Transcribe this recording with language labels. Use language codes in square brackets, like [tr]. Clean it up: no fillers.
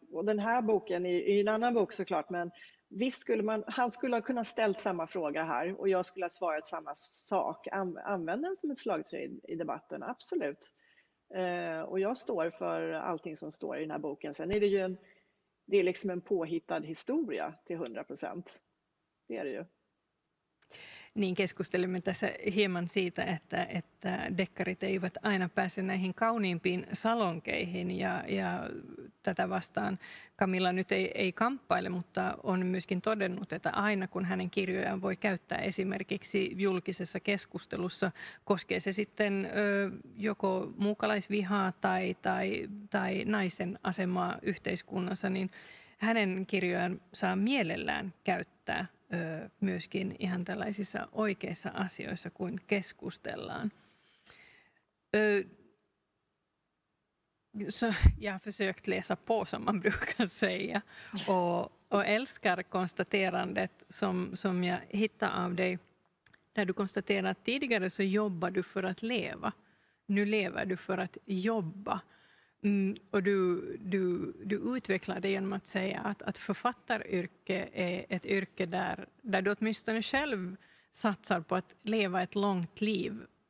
[sv] Och den här boken är ju en annan bok såklart, men visst skulle man, han skulle ha kunnat ställa samma fråga här och jag skulle ha svarat samma sak. Använd den som ett slagträ i debatten, absolut. Och jag står för allting som står i den här boken. Sen är det ju det är liksom en påhittad historia till 100%. Det är det ju. [fi] Niin keskustelimme tässä hieman siitä, että dekkarit eivät aina pääse näihin kauniimpiin salonkeihin ja tätä vastaan Camilla nyt ei kamppaile, mutta on myöskin todennut, että aina kun hänen kirjojaan voi käyttää esimerkiksi julkisessa keskustelussa, koskee se sitten joko muukalaisvihaa tai naisen asemaa yhteiskunnassa, niin hänen kirjojaan saa mielellään käyttää myöskin ihan tällaisissa oikeissa asioissa, kuin keskustellaan. [sv] Så jag har försökt läsa på, som man brukar säga, och älskar konstaterandet som jag hittar av dig, där du konstaterar att tidigare så jobbar du för att leva. Nu lever du för att jobba. Och du utvecklar det genom att säga att författaryrke är ett yrke där du åtminstone själv satsar på att leva ett långt liv.